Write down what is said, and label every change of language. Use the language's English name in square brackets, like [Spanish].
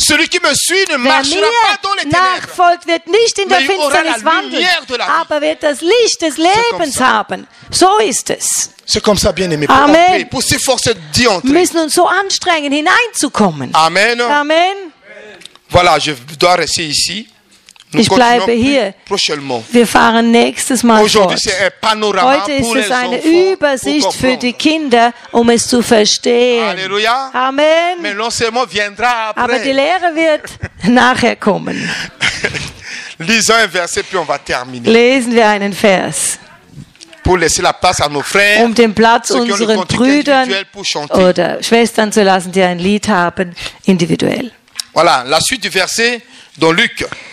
[French] Celui qui me suit ne marchera pas dans les [German] nachfolgt, wird nicht in der Finsternis wandeln, aber wird das Licht des Lebens haben. So ist es. [French] C'est comme ça, bien aimé. Amen. Pour [German] müssen uns so anstrengen, hineinzukommen. Amen. Amen. [French] Voilà, je dois rester ici. [German] Ich bleibe hier. [French] Prochainement. [German] Wir fahren nächstes Mal [French] aujourd'hui C'est un panorama [German] heute ist [French] pour [German] es eine Übersicht für die Kinder, um es zu verstehen. Alleluia. Amen. [French] Mais l'enseignement viendra après. [German] Aber die Lehre wird nachher kommen. [French] Lisons un verset, puis on va terminer. [German] Lesen wir einen Vers. [French] Pour laisser la place à nos frères, [German] um den Platz unseren Brüdern oder Schwestern zu lassen, die ein Lied haben, individuell. [French] Voilà, la suite du verset dans Luc.